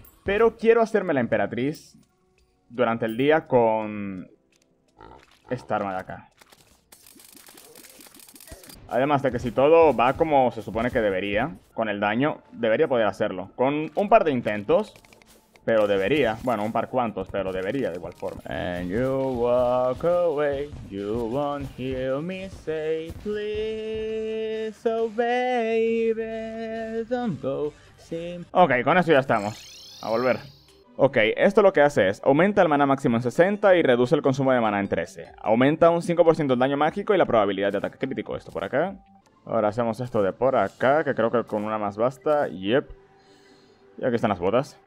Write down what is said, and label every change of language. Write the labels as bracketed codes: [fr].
[es] Pero quiero hacerme la Emperatriz durante el día con esta arma de acá. Además de que si todo va como se supone que debería, con el daño, debería poder hacerlo. Con un par de intentos, pero debería. Bueno, un par cuantos, pero debería de igual forma. [en] And you walk away, you won't hear me say, please, oh baby, don't go. [es] Ok, con eso ya estamos. A volver. Ok, esto lo que hace es, aumenta el mana máximo en 60 y reduce el consumo de mana en 13. Aumenta un 5% el daño mágico y la probabilidad de ataque crítico. Esto por acá. Ahora hacemos esto de por acá, que creo que con una más basta. Yep. Y aquí están las botas.